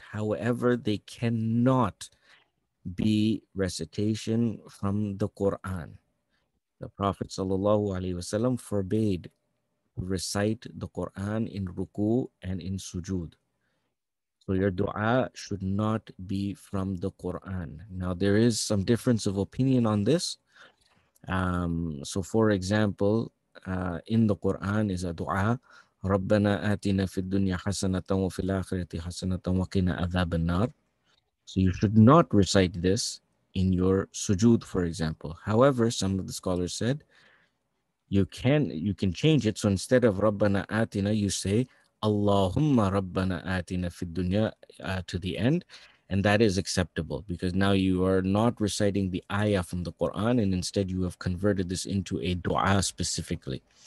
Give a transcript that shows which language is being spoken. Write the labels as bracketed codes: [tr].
[en] However, they cannot be recitation from the Quran. The Prophet sallallahu alaihi wasallam forbade recite the Quran in ruku and in sujood. So your dua should not be from the Quran. Now there is some difference of opinion on this. So for example, in the Quran is a dua, [ar] ربنا آتنا في الدنيا حسنة وفي الآخرة حسنة وقنا عذاب النار. [en] So you should not recite this in your sujood, for example. However, some of the scholars said you can change it. So instead of [ar] ربنا آتنا, [en] you say [ar] اللهم ربنا آتنا في الدنيا [en] to the end, and that is acceptable because now you are not reciting the ayah from the Quran, and instead you have converted this into a dua specifically.